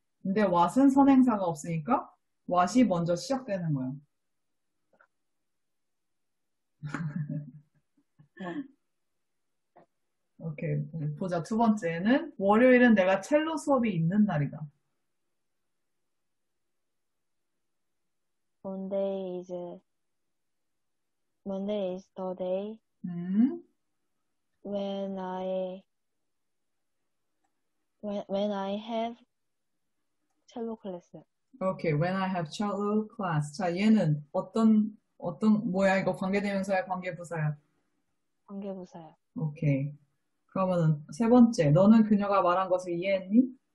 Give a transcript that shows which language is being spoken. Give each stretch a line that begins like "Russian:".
Korean: 근데 what은 선행사가 없으니까 what이 먼저 시작되는 거야. 오케이. 보자. 두 번째는 월요일은 내가 첼로 수업이 있는 날이다.
English: Monday is the day when I have cello class. 오케이, when I have cello class.
Korean: 자, 얘는 어떤 뭐야? 이거 관계대명사야, 관계부사야? 관계부사요. 오케이. 그러면 세 번째, 너는 그녀가 말한 것을 이해했니?